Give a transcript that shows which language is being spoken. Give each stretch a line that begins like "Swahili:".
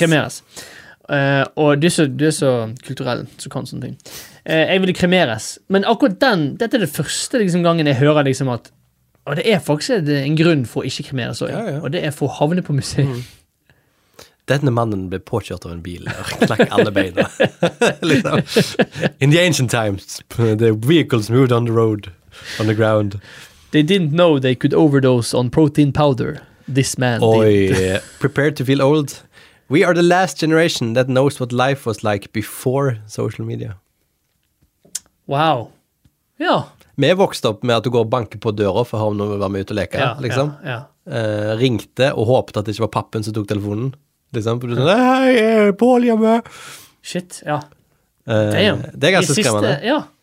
Norwegian: Kremeres. Og du er så kulturell, så kan sånne ting. Jeg ville kremeres. Men akkurat dette er det første liksom, gangen jeg hører liksom, at det er faktisk en grunn for å ikke kremeres. Ja, ja. Og det er for å havne på museet. Mm. Denne mannen ble påkjørt av en bil og knakk alle beina. Liksom.
English: In the ancient times, the vehicles moved on the road, on the ground. They didn't know they could overdose on protein powder. This man did. Prepared to feel old. We are the last generation that knows what life was like before social media.
Norwegian: Wow. Ja. vi vokste opp med at du går og banker på døra for å høre om noen vil være med ut og leke, ja, liksom. Ja, ja. Ringte og håpet at det ikke var pappen som tok telefonen, liksom. Du sånn, hei, Paul, jeg er med. Shit, ja. Det er ganske skremmende. Ja.